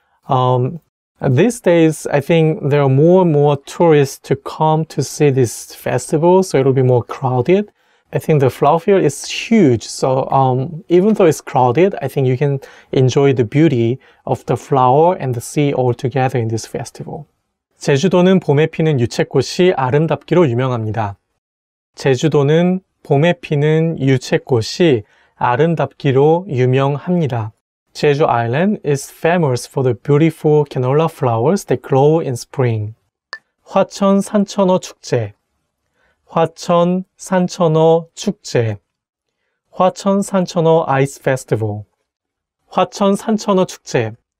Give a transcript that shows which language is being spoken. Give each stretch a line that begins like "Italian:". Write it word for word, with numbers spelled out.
English: Um, these days, I think there are more and more tourists to come to see this festival, so it'll be more crowded. I think the flower field is huge, so um, even though it's crowded, I think you can enjoy the beauty of the flower and the sea all together in this festival.
Korean: 제주도는 봄에 피는 유채꽃이 아름답기로 유명합니다. 제주도는 봄에 피는 유채꽃이 아름답기로 유명합니다.
English: Jeju Island is famous for the beautiful canola flowers that glow in spring.
Korean: 화천 산천어 축제. 화천 산천어 축제. 화천 산천어
English: Ice Festival.
Korean: 화천 산천어 축제.